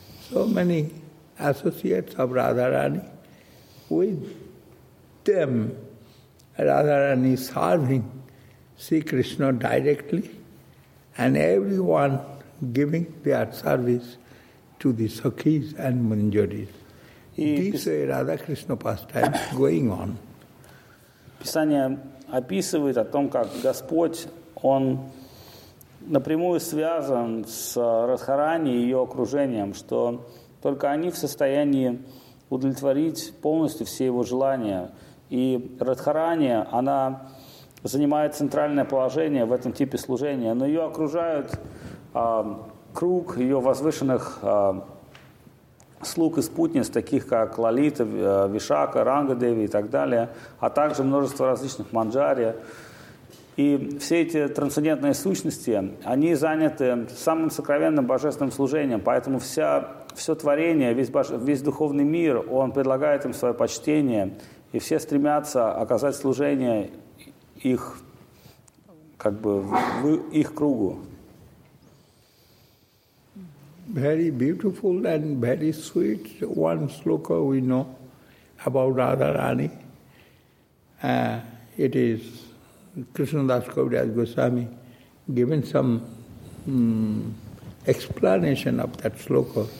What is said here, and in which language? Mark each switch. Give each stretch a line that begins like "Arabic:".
English: So many associates of Radharani. With them, Radharani is serving Sri Krishna directly and everyone giving their service to the Sakhis and Manjaris.
Russian: Писание описывает о том, как Господь, Он напрямую связан с Радхарани и ее окружением, что только они в состоянии удовлетворить полностью все его желания. И Радхарани, она занимает центральное положение в этом типе служения, но ее окружают круг ее возвышенных слуг и спутниц, таких как Лалита, Вишака, Рангадеви и так далее, а также множество различных манджари. И все эти трансцендентные сущности, они заняты самым сокровенным божественным служением, поэтому все творение, весь духовный мир, он предлагает им свое почтение, и все стремятся оказать служение их, как бы, в их кругу.
English: Very beautiful and very sweet one sloka we know about Radharani. It is Krishnadas Kaviraj Goswami given some explanation of that sloka.